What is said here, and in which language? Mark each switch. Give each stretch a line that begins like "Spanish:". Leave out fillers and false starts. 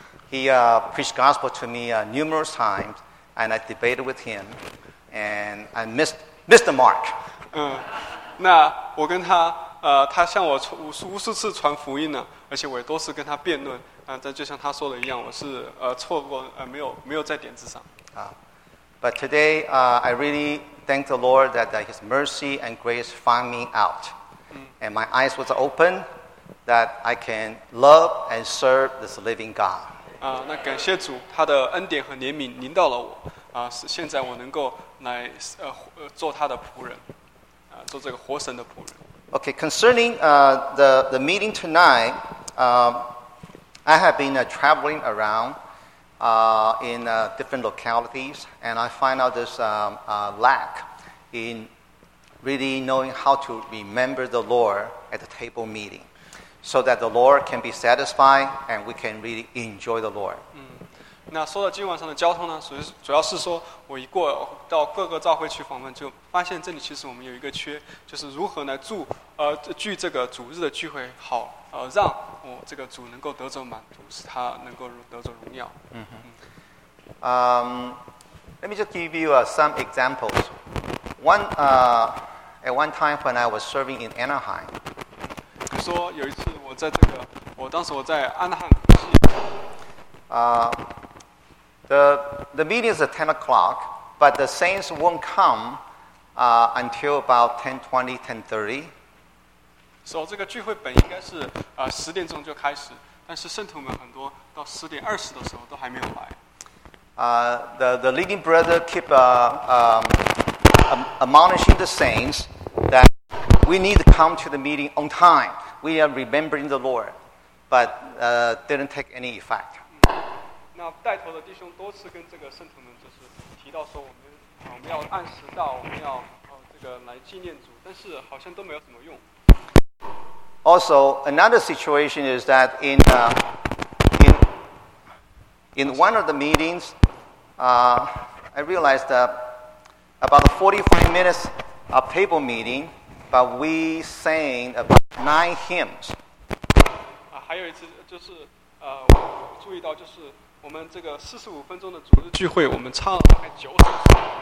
English: He preached gospel to me numerous times, and I debated with him, and I missed the mark.
Chinese: 那我跟他他向我无数次传福音呢，而且我也多次跟他辩论，但就像他说的一样，我是错过没有在点子上。
English: But today, I really thank the Lord that His mercy and grace found me out, and my eyes was open that I can love and serve this living God.
Chinese: 那感谢主，他的恩典和怜悯临到了我，是现在我能够来做他的仆人，做这个活神的仆人。
English: Okay, concerning the meeting tonight, I have been traveling around in different localities, and I find out this lack in really knowing how to remember the Lord at the table meeting, so that the Lord can be satisfied and we can really enjoy the Lord.
Chinese: 那说到今晚上的交通呢，主要是说我一过到各个召会去访问，就发现这里其实我们有一个缺，就是如何来聚这个主日的聚会，好让我这个主能够得着满足，使他能够得着荣耀。
English: Let me just give you some examples. At one time when I was serving in Anaheim.
Chinese: 你说有一次我在这个，我当时我在安汉。
English: The meeting is at 10 o'clock, but the saints won't come until about 10:20, 10:30.
Chinese: So, 这个聚会本应该是十点钟就开始，但是圣徒们很多到十点二十的时候都还没有来。
English: The leading brother keep admonishing the saints that we need to come to the meeting on time. We are remembering the Lord, but didn't take any effect.
Chinese: 那带头的弟兄多次跟这个圣徒们就是提到说我们要按时到，我们要这个来纪念主，但是好像都没有什么用。
English: Also, another situation is that in one of the meetings, I realized that about 45 minutes of table meeting, but we sang about 9 hymns.
Chinese: 还有一次就是我注意到就是。我们这个四十五分钟的主日聚会，我们唱了大概九首诗。